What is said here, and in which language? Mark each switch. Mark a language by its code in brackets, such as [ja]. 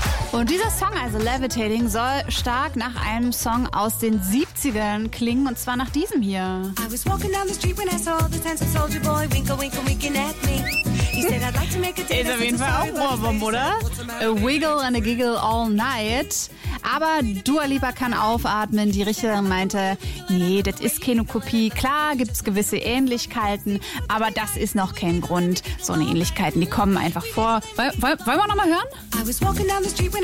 [de] Und dieser Song, also Levitating, soll stark nach einem Song aus den 70ern klingen, und zwar nach diesem hier. [en] I was walking down the street when I saw the tense soldier boy winkle winkle winking at me. [de] Ist auf jeden Fall auch Ohrwurm, oder? [en] A wiggle and a giggle all night. [de] Aber Dua Lipa kann aufatmen. Die Richterin meinte, nee, das ist keine Kopie. Klar gibt es gewisse Ähnlichkeiten, aber das ist noch kein Grund. So eine Ähnlichkeiten, die kommen einfach vor. Wollen wir nochmal hören?